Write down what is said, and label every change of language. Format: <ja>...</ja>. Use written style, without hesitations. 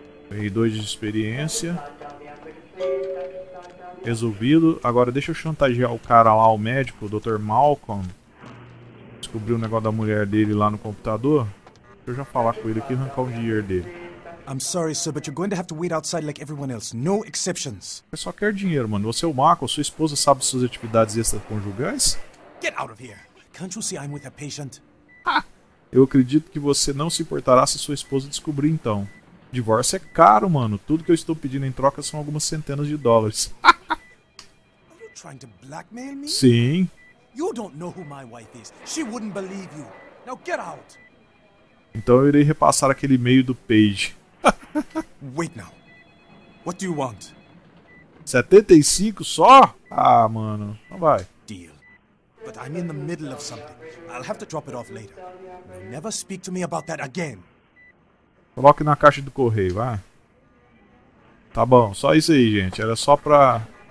<pt>Ganhei 2 de experiência. Resolvido. Agora deixa eu chantagear o cara lá, o médico, o Dr. Malcolm. Descobriu o negócio da mulher dele lá no computador. Deixa eu já falar com ele aqui e arrancar o dinheiro dele.</pt> <en>I'm sorry, sir, but you're going to have to wait outside like everyone else. No exceptions.</en> <pt>Você só quer dinheiro, mano. Você é o Marco, sua esposa sabe suas atividades extraconjugais?</pt> <en>Get out of here. Can't you see I'm with a patient?</en> <pt>Eu acredito que você não se importará se sua esposa descobrir, então. Divórcio é caro, mano. Tudo que eu estou pedindo em troca são algumas centenas de dólares.</pt> <en>Are you trying to blackmail me?</en> <pt>Sim.</pt> <en>You don't know who my wife is. She wouldn't believe you. Now get out.</en> <pt>Então eu irei repassar aquele e-mail do Paige.</pt> <en>Wait now. What do you want?</en> <pt>75 só? Ah, mano. Não vai.</pt> <en>Deal. But I'm in the middle of something. I'll have to drop it off later. You never speak to me about that again.</en> <pt>Coloque na caixa do correio, vai. Tá bom, só isso aí, gente. Era só pra...</pt>